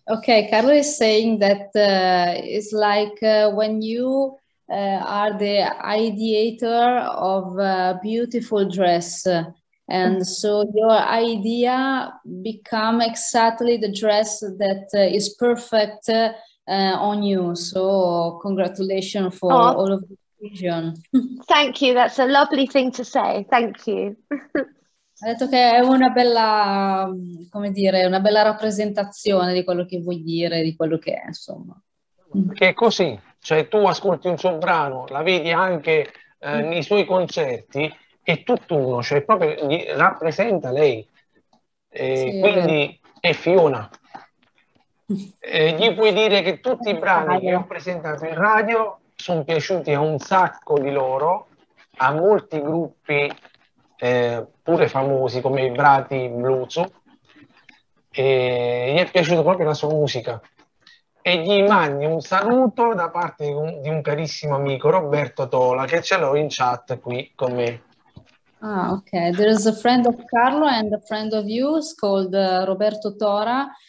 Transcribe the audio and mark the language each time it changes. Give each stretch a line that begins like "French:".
English: Ok, Carlo is saying that it's like when you are the ideator of a beautiful dress, and so your idea become exactly the dress that is perfect on you. So congratulations for all of the vision. Thank you, that's a lovely thing to say, thank you.
Italian: Ha detto che è una bella, come dire, una bella rappresentazione di quello che vuoi dire, di quello che è, insomma. Che è così, cioè tu ascolti un suo brano, la vedi anche nei suoi concerti è tutt'uno, cioè proprio gli rappresenta lei. Sì, quindi è Fiona. Gli puoi dire che tutti i brani che ho presentato in radio sono piaciuti a un sacco di loro, a molti gruppi pure famosi come i Brati Bluzu, e gli è piaciuta proprio la sua musica. E gli mandi un saluto da parte di un carissimo amico, Roberto Tola, che ce l'ho in chat qui con me. Ah, ok.
English: There is a friend of Carlo and a friend of you, it's called Roberto Tola.